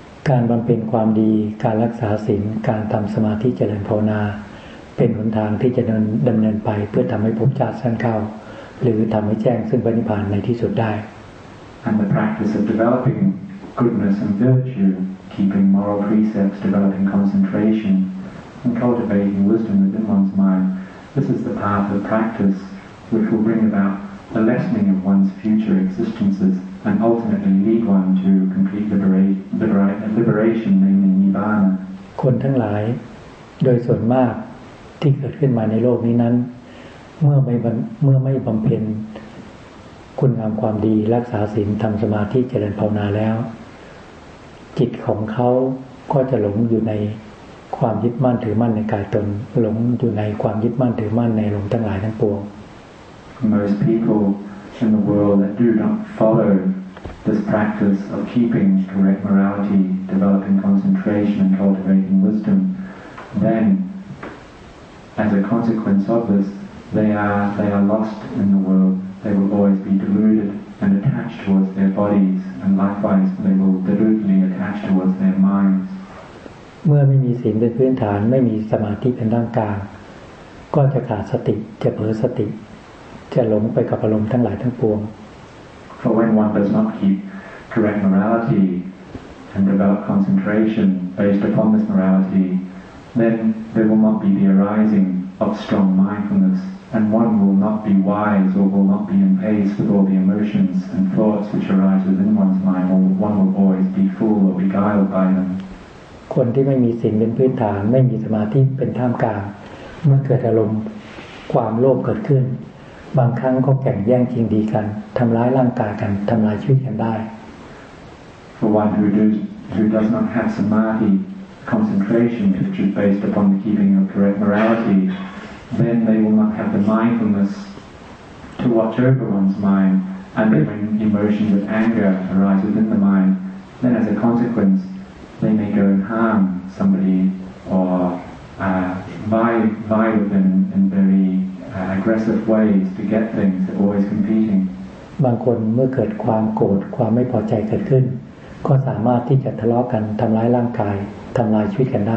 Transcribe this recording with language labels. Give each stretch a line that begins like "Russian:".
Thai: การบำเพ็ญความดีการรักษาศีลการทำสมาธิเจริญภาวนา ป็นหนทางที่จะดำเนินไปเพื่อทำให้ภพชาติสั้นเข้าหรือทำให้แจ้งซึ่งพระนิพพานในที่สุดได้
English: And the practice of developing goodness and virtue, keeping moral precepts, developing concentration, and cultivating wisdom within one's mind, this is the path of practice which will bring about a lessening of one's future existences and ultimately lead one to complete liberation, namely Nibbana.
Thai: คนทั้งหลายโดยส่วนมากที่เกิดขึ้นมาในโลกนี้นั้นเมื่อไม่บำเพ็ญคุณงามความดีรักษาศีลทำสมาธิเจริญภาวนาแล้วจิตของเขาก็จะหลงอยู่ในความยึดมั่นถือมั่นในกายตนหลงอยู่ในความยึดมั่นถือมั่นในลมทั้งหลายทั้งปวง
English: Most people in the world that do not follow this practice of keeping correct morality, developing concentration and cultivating wisdom, then as a consequence of this, they are lost in the world. They will always be deluded and attached towards their bodies, and likewise they will deludedly attach towards their minds.
Thai: เมื่อไม่มีศีลเป็นพื้นฐานไม่มีสมาธิเป็นร่างกายก็จะขาดสติจะเผลอสติจะหลงไปกับอารมณ์ทั้งหลายทั้งปวง
English: For when one does not keep correct morality and develop concentration based upon this morality, then there will not be the arising of strong mindfulness, and one will not be wise or will not be in pace with all the emotions and thoughts which arise within one's mind, or one will always be fooled or beguiled by them.
Thai: คนที่ไม่มีศีลเป็นพื้นฐานไม่มีสมาธิเป็นท่ามกลางเมื่อเกิดอารมณ์ความโลภเกิดขึ้นบางครั้งก็แข่งแย่งชิงดีกันทำร้ายร่างกายกันทำลายชีวิตกันได้
English: For one who does not have samadhi, concentration, which is based upon the keeping of correct morality, then they will not have the mindfulness to watch over one's mind, and when emotions of anger arise within the mind, then as a consequence, they may go and harm somebody or vie with them in very aggressive ways to get things, always competing.
Thai: บางคนเมื่อเกิดความโกรธความไม่พอใจเกิดขึ้นก็สามารถที่จะทะเลาะกันทำร้ายร่างกายทำลายชีวิตกันได